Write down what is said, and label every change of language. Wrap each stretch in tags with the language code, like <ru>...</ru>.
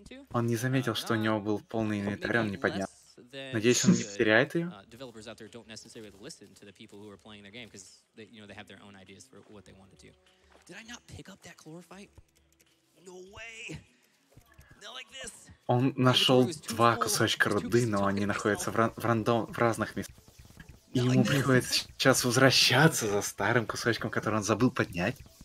<ru>Он не заметил, что у него был полный инвентарь, он не поднял. Надеюсь, он не теряет ее.</ru> <en>Девелоперы out there don't necessarily listen to the people who are playing their game, because they, you know, they have their own ideas for what they want to do. Did I not pick up that chlorophyte? No way!</en> <ru>Он нашел два кусочка руды, но они находятся в разных местах. И ему приходится сейчас возвращаться за старым кусочком, который он забыл поднять.</ru>